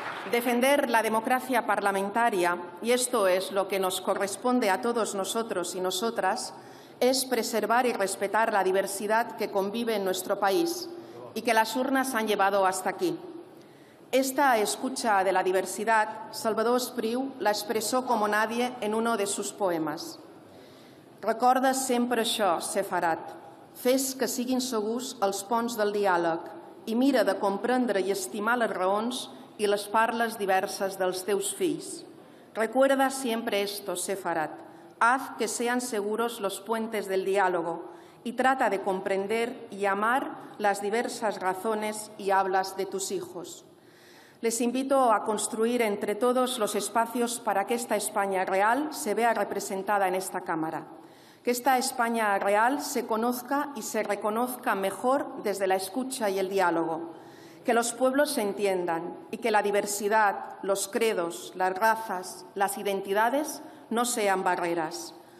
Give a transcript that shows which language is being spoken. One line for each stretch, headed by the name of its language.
Spanish: Defender la democracia parlamentaria, y esto es lo que nos corresponde a todos nosotros y nosotras, es preservar y respetar la diversidad que convive en nuestro país y que las urnas han llevado hasta aquí. Esta escucha de la diversidad, Salvador Espriu la expresó como nadie en uno de sus poemas.
Catalan: Recorda sempre això, Sefarat. Fes que siguin segurs els ponts del diàleg i mira de comprendre i estimar les raons i les parles diverses dels teus fills.
Spanish: Recuerda siempre esto, Sefarat. Haz que sean seguros los puentes del diálogo y trata de comprender y amar las diversas razones y hablas de tus hijos. Les invito a construir entre todos los espacios para que esta España real se vea representada en esta Cámara, que esta España real se conozca y se reconozca mejor desde la escucha y el diálogo, que los pueblos se entiendan y que la diversidad, los credos, las razas, las identidades no sean barreras,